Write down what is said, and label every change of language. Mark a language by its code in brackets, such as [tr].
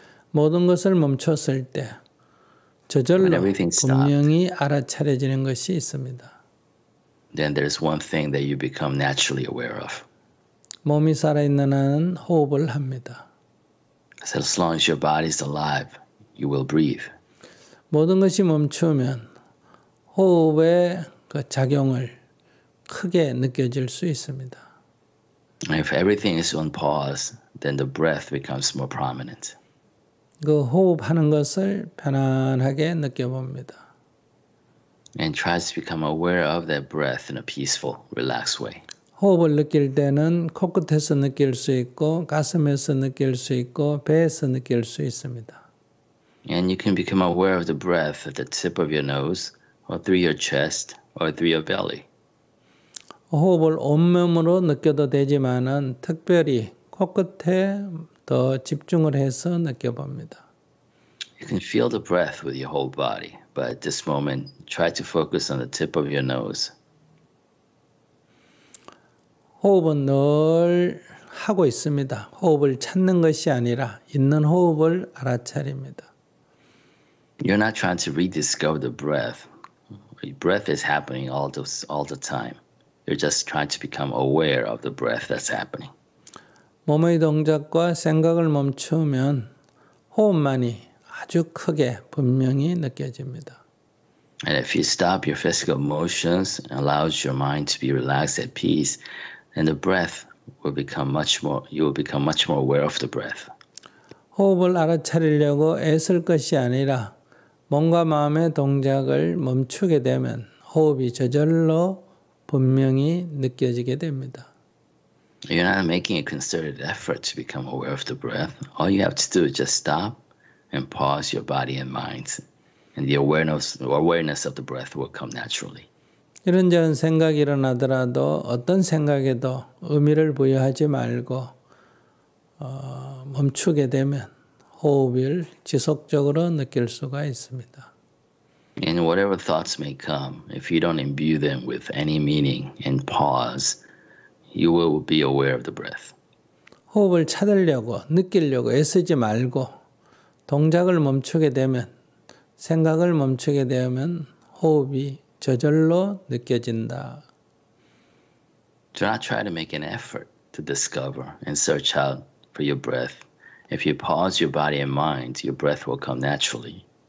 [ko] 모든 것을 멈췄을 때 저절로 분명히 알아차려지는 것이 있습니다. [en] Then there's one thing that you become naturally aware of. [ko] 몸이 살아있는 한 호흡을 합니다. [en] So as long as your body is alive, you will breathe. [ko] 모든 것이 멈추면 호흡의 그 작용을 크게 느껴질 수 있습니다. [en] If everything is on pause, then the breath becomes more prominent. [ko] 그 호흡하는 것을 편안하게 느껴봅니다. [en] And tries to become aware of that breath in a peaceful, relaxed way. [ko] 호흡을 느낄 때는 코끝에서 느낄 수 있고 가슴에서 느낄 수 있고 배에서 느낄 수 있습니다. [en] And you can become aware of the breath at the tip of your nose, or through your chest, or through your belly. [ko] 호흡을 온몸으로 느껴도 되지만은 특별히 코끝에 더 집중을 해서 느껴봅니다. [en] You can feel the breath with your whole body, but at this moment, try to focus on the tip of your nose. [ko] 호흡은 늘 하고 있습니다. 호흡을 찾는 것이 아니라 있는 호흡을 알아차립니다. [en] You're not trying to rediscover the breath. Breath is happening all the time. You're just trying to become aware of the breath that's happening. [ko] 몸의 동작과 생각을 멈추면 호흡만이 아주 크게 분명히 느껴집니다. [en] And if you stop your physical motions and allows your mind to be relaxed at peace, then the breath will become much more, you will become much more aware of the breath. [ko] 호흡을 알아차리려고 애쓸 것이 아니라 몸과 마음의 동작을 멈추게 되면 호흡이 저절로 분명히 느껴지게 됩니다. [en] You're not making a concerted effort to become aware of the breath. All you have to do is just stop and pause your body and mind. And the awareness of the breath will come naturally. [ko] 이런저런 생각이 일어나더라도 어떤 생각에도 의미를 부여하지 말고 멈추게 되면 호흡을 지속적으로 느낄 수가 있습니다. [en] And whatever thoughts may come, if you don't imbue them with any meaning and pause, you will be aware of the breath. [ko] 호흡을 찾으려고, 느끼려고 애쓰지 말고 동작을 멈추게 되면, 생각을 멈추게 되면 호흡이 저절로 느껴진다. [en] Do not try to make an effort to discover and search out for your breath. If you pause your body and mind, your breath will come naturally.